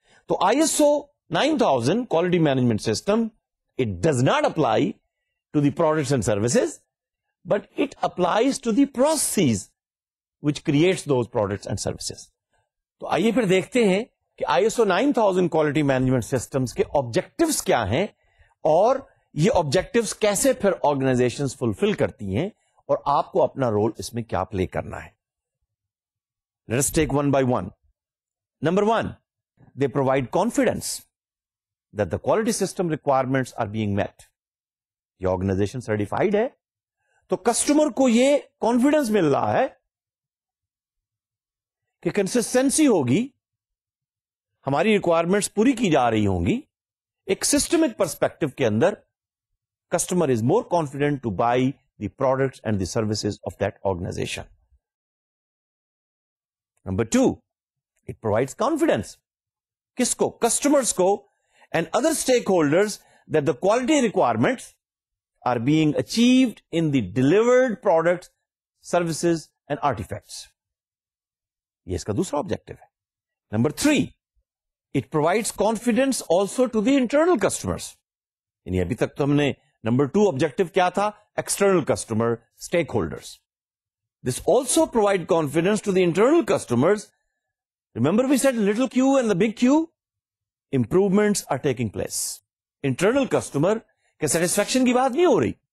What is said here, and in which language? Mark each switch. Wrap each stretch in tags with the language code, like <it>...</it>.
<ur>تو</ur> <en>ISO 9000 quality management system, it does not apply to the products and services, but it applies to the processes which creates those products and services.</en> <ur>تو آئیے پھر دیکھتے ہیں کہ ISO 9000 quality management systems کے objectives کیا ہیں, اور یہ آبجیکٹیوز کیسے پھر آرگنائزیشنز فلفل کرتی ہیں, اور آپ کو اپنا رول اس میں کیا پلے کرنا ہے.</ur> <en>Let us take one by one. Number one, they provide confidence that the quality system requirements are being met.</en> <ur>یہ آرگنائزیشن سرٹیفائڈ ہے تو کسٹمر کو یہ کانفیڈنس مل رہا ہے کہ کنسسٹنسی ہوگی, ہماری ریکوائرمنٹس پوری کی جا رہی ہوں گی. ایک سسٹمک پرسپیکٹو کے اندر</ur> <en>customer is more confident to buy the products and the services of that organization. Number two, it provides confidence.</en> <ur>Kisko?</ur> <en>Customers ko and other stakeholders that the quality requirements are being achieved in the delivered products, services and artifacts.</en> <ur>Ye iska dusra objective hai.</ur> <en>Number three, it provides confidence also to the internal customers.</en> <ur>Yani abhi tak to humne number two objective کیا تھا, external customer stack holders.</ur> <en>This also provide confidence to the internal customers. Remember we said little Q and the big Q, improvements are taking place.</en> <ur>Internal customer کے satisfaction کی بات نہیں ہو رہی,</ur>